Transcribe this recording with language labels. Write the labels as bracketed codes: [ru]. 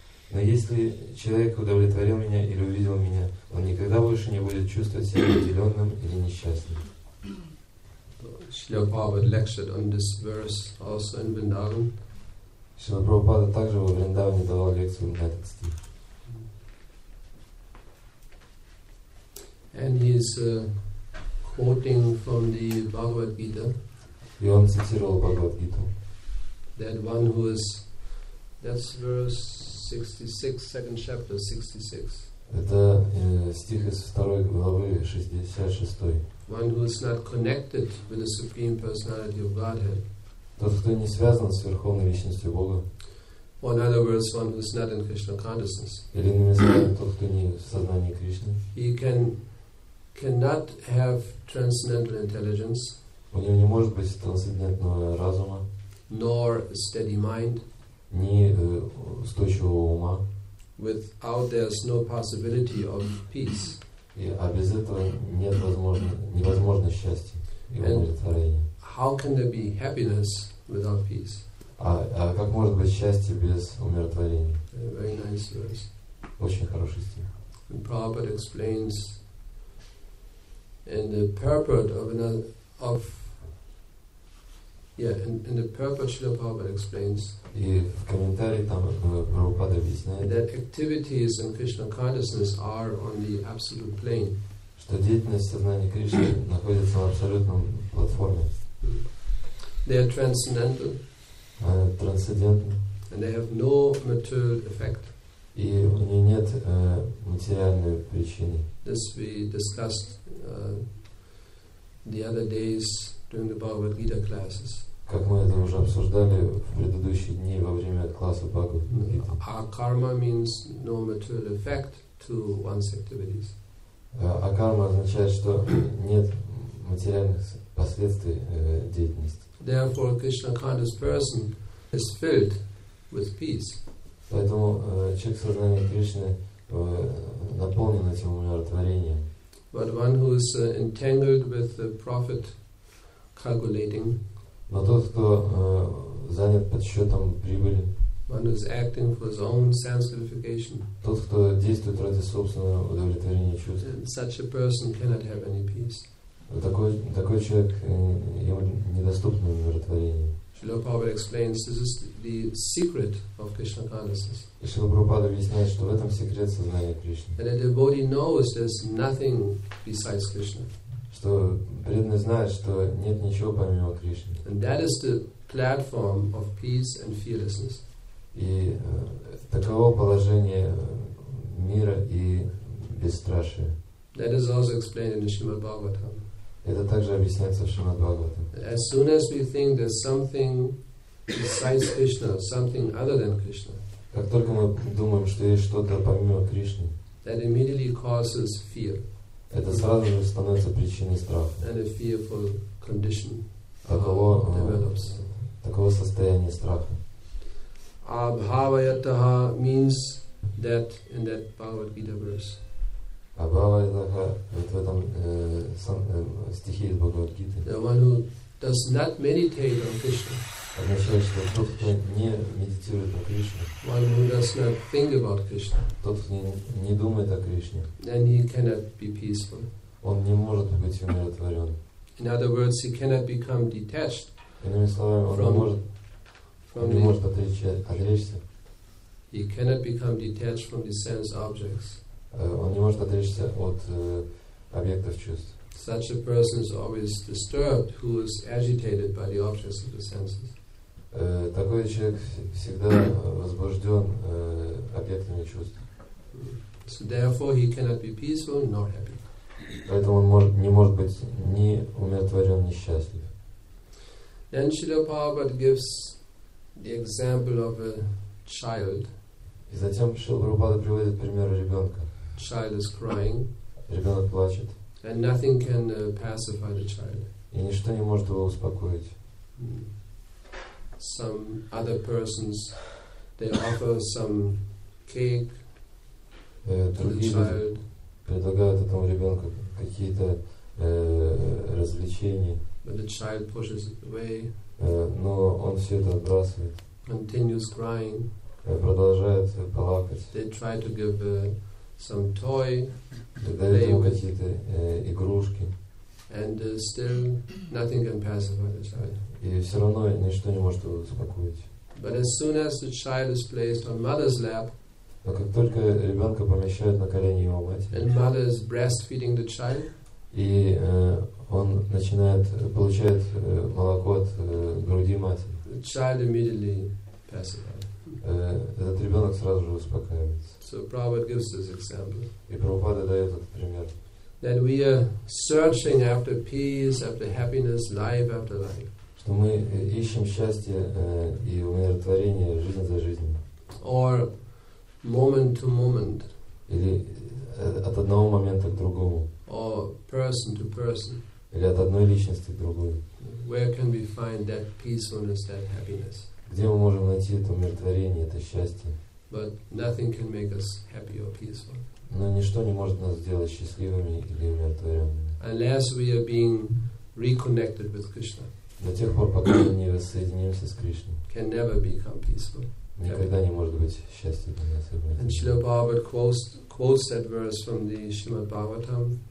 [ru] Но если человек удовлетворил меня или увидел меня, он никогда больше не будет чувствовать себя обделенным или несчастным. [en] Шрила Прабхупада lectured on this verse also in Vrindavan. [ru] Шрила Прабхупада также во Вриндаване давал лекцию на этот стих. [en] And he is quoting from the Bhagavad Gita. [ru] И он цитировал Бхагавад Гиту. [en] That one who is, that's verse 66, second chapter 66. [ru] Это стих из второй главы 66. [en] One who is not connected with the Supreme Personality of Godhead. [ru] Тот, кто не связан с Верховной Личностью Бога. [en] Or in other words, one who is not in Krishna consciousness. [ru] Или иными словами, тот, кто не в сознании Кришны. [en] He cannot have transcendental intelligence. [ru] У него не может быть трансцендентного разума. [en] Nor a steady mind. [ru] Ни устойчивого ума. [en] Without there is no possibility of peace. [ru] И а без этого нет невозможно счастья и удовлетворения. [en] How can there be happiness without peace? [ru] А как может быть счастье без умиротворения? [en] Very nice verse. [ru] Очень хороший стих. [en] And Prabhupada explains in the purport of another of yeah, and the purport Srila Prabhupada explains. [ru] И в комментарии там Прабхупада объясняет, [en] that activities in Krishna consciousness are on the absolute plane. [ru] Что деятельность сознания Кришны находится на абсолютном платформе. [en] They are transcendental. [ru] Трансцендентны. [en] And they have no material effect. [ru] И у них нет материальной причины. [en] This we discussed the other days during the Bhagavad Gita classes. [ru] Как мы это уже обсуждали в предыдущие дни во время класса Бхагавад-гиты. [en] Акарма means no material effect to one's activities. [ru] Акарма означает, что нет материальных последствий деятельности. [en] Therefore, a Krishna conscious person is filled with peace. [ru] Поэтому человек в сознании Кришны наполнен этим умиротворением. [en] But one who is entangled with the profit calculating. [ru] Но тот, кто занят подсчетом прибыли, [en] one who is acting for his own sense gratification, [ru] тот, кто действует ради собственного удовлетворения чувств, [en] such a person cannot have any peace. [ru] Такой человек, ему недоступно умиротворение. [en] Srila Prabhupada explains this is the secret of Krishna consciousness. [ru] И Шрила Прабхупада объясняет, что в этом секрет сознания Кришны. [en] And a devotee knows there's nothing besides Krishna. [ru] Что преданный знает, что нет ничего помимо Кришны. [en] And that is the platform of peace and fearlessness. [ru] И таково положение мира и бесстрашия. [en] That is also explained in the Srimad Bhagavatam. [ru] Это также объясняется в Шримад Бхагаватам. [en] As soon as we think there's something besides Krishna, something other than Krishna, [ru] как только мы думаем, что есть что-то помимо Кришны, [en] that immediately causes fear. [ru] Это сразу же становится причиной страха. [en] And a fearful condition develops. [ru] Такого состояния страха. [en] Abhavayataha means that in that Bhagavad Gita verse. [ru] А Бхагавадгита, вот в этом стихе из Бхагавадгиты. [en] The one who does not meditate on Krishna. [ru] Означает, что тот, кто не медитирует о Кришне. [en] One who does not think about Krishna. [ru] Тот, кто не думает о Кришне. [en] Then he cannot be peaceful. [ru] Он не может быть умиротворен. [en] In other words, he cannot become detached. [ru] Иными словами, он не может отречься. [en] He cannot become detached from the sense objects. [ru] Он не может отречься от объектов чувств. [en] Such a person is always disturbed, who is agitated by the objects of the senses. [ru] Такой человек всегда возбужден объектами чувств. [en] So therefore, he cannot be peaceful nor happy. [ru] Поэтому он не может быть ни умиротворен, ни счастлив. [en] Then Srila Prabhupada gives the example of a child. [ru] И затем Шрила Прабхупада приводит пример ребенка. [en] Child is crying. [ru] Ребенок плачет. [en] And nothing can pacify the child. [ru] И ничто не может его успокоить. [en] Some other persons, they offer some cake to the child. [ru] Предлагают этому ребенку какие-то развлечения. [en] But the child pushes it away. [ru] Но он все это отбрасывает. [en] Continues crying. [ru] Продолжает плакать. [en] They try to give some toy. [ru] Дают ему какие-то игрушки. [en] And still nothing can pacify the child. [ru] И все равно ничто не может его успокоить. [en] But as soon as the child is placed on mother's lap. [ru] Но как только ребенка помещают на колени его матери. [en] And mother is breastfeeding the child. [ru] И он начинает получать молоко от груди матери. [en] The child immediately passes away. [ru] Этот ребенок сразу же успокаивается. [en] So Prabhupada gives this example. [ru] И Прабхупада дает этот пример. [en] That we are searching after peace, after happiness, life after life. [ru] Что мы ищем счастье и умиротворение жизнь за жизнью. [en] Or moment to moment. [ru] Или от одного момента к другому. [en] Or person to person. [ru] Или от одной личности к другой. [en] Where can we find that peacefulness, that happiness? [ru] Где мы можем найти это умиротворение, это счастье? [en] But nothing can make us happy or peaceful. [ru] Но ничто не может нас сделать счастливыми или умиротворенными. [en] Unless we are being reconnected with Krishna. [ru] До тех пор, пока мы не воссоединимся с Кришной. [en] Can never become peaceful. [ru] Никогда не может быть счастья для нас. [en] And Srila Prabhupada quotes that verse from the Srimad Bhagavatam.